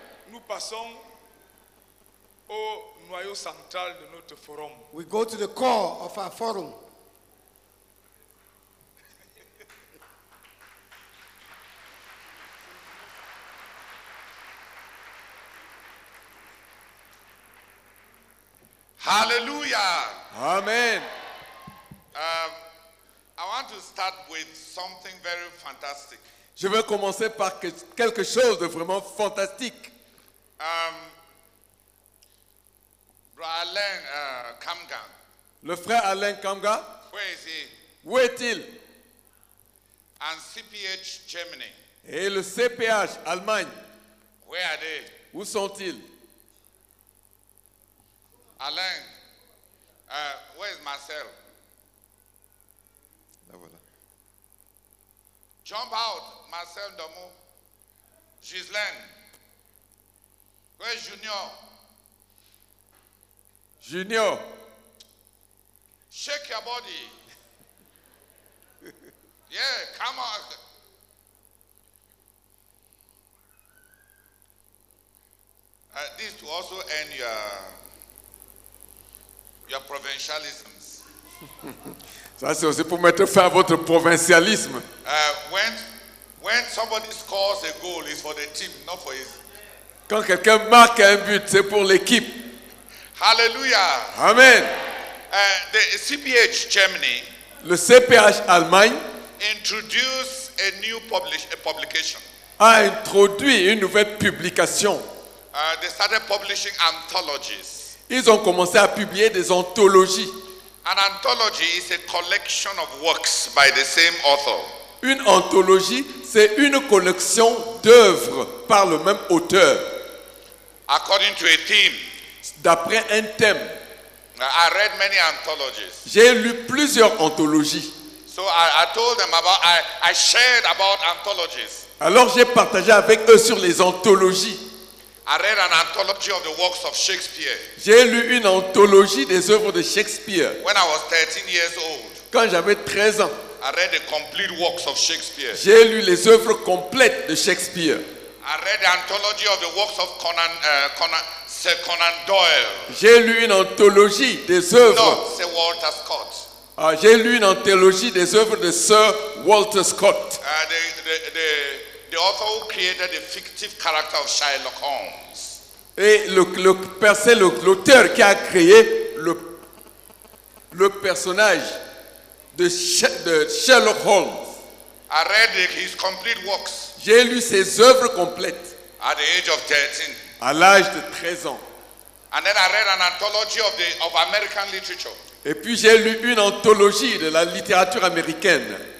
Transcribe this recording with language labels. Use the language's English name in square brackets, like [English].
[French] Nous passons au noyau central de notre forum. [English] We go to the core of our forum. Hallelujah. Amen. I want to start with something very fantastic. [French] Je veux commencer par quelque chose de vraiment fantastique. Alain Kamga. Le frère Alain Kamga. [English] Where is he? [French] Où est-il? [English] And CPH Germany. [French] Et le CPH Allemagne. [English] Where are they? [French] Où sont-ils? [English] Alain. Where is Marcel? [French] Là voilà. [English] Jump out, Marcel Domo. Ghislaine. Where is Junior? Junior. Shake your body. Yeah, come on. This to also end your provincialisms. [French] Ça c'est aussi pour mettre fin à votre provincialisme. [English] When somebody scores a goal, it's for the team, not for his. [French] Quand quelqu'un marque un but, c'est pour l'équipe. [English] Hallelujah. Amen. The CPH Germany. [French] Le CPH Allemagne. [English] Introduce a new publication. [French] A introduit une nouvelle publication. [English] They started publishing anthologies. [French] Ils ont commencé à publier des anthologies. [English] An anthology is a collection of works by the same author. [French] Une anthologie, c'est une collection d'œuvres par le même auteur. [English] According to a theme. [French] D'après un thème. [English] I read many anthologies. [French] J'ai lu plusieurs anthologies. [English] So I told them about, I shared about anthologies. [French] Alors j'ai partagé avec eux sur les anthologies. [English] I read an anthology of the works of Shakespeare. [French] J'ai lu une anthologie des œuvres de Shakespeare. [English] When I was 13 years old. [French] Quand j'avais 13 ans. [English] I read the complete works of Shakespeare. [French] J'ai lu les œuvres complètes de Shakespeare. [English] I read the anthology of the works of Conan Doyle. [French] J'ai lu une anthologie des œuvres. [English] No, Sir Walter Scott. [French] J'ai lu une anthologie des œuvres de Sir Walter Scott. [English] The author who created the fictive character of Sherlock Holmes. [French] Et l'auteur qui a créé le personnage de Sherlock Holmes. [English] I read his complete works. [French] J'ai lu ses œuvres complètes. [English] At the age of 13. [French] À l'âge de 13 ans. [English] And then I read an anthology of American literature. [French] Et puis j'ai lu une anthologie de la littérature américaine.